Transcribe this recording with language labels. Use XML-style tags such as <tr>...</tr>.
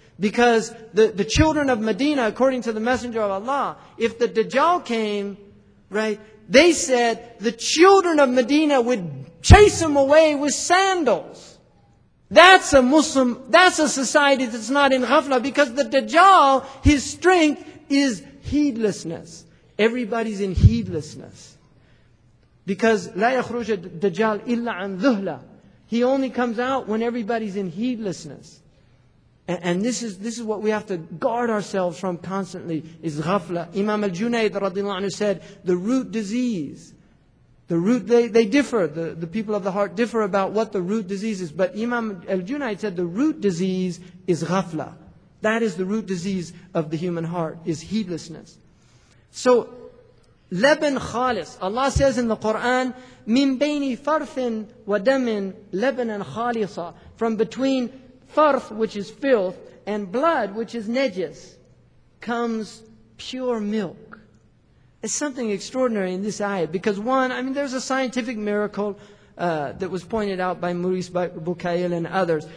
<en>Because the children of Medina, according to the Messenger of Allah, if the Dajjal came, right, they said the children of Medina would chase them away with sandals. That's a Muslim, that's a society that's not in ghafla, because the Dajjal, his strength is heedlessness. Everybody's in heedlessness. Because</en> <ar>لا يخرج الدجال إلا عن ذهلة.</ar> <en>He only comes out when everybody's in heedlessness. And this is what we have to guard ourselves from constantly, is ghafla. Imam al-Junayd radiallahu anhu said, the root disease, the root, they differ, the people of the heart differ about what the root disease is. But Imam al-Junayd said the root disease is ghafla. That is the root disease of the human heart, is heedlessness.</en> <ar>So, لَبَن خَالِص.</ar> <en>Allah says in the Qur'an,</en> <ar>مِن بَيْنِ فَرْثٍ وَدَمٍ لَبَنًا خَالِصًا.</ar> <en>From between farth, which is filth, and blood, which is najis, comes pure milk. It's something extraordinary in this ayah. Because one, I mean, there's a scientific miracle that was pointed out by Maurice Boukail and others.</en>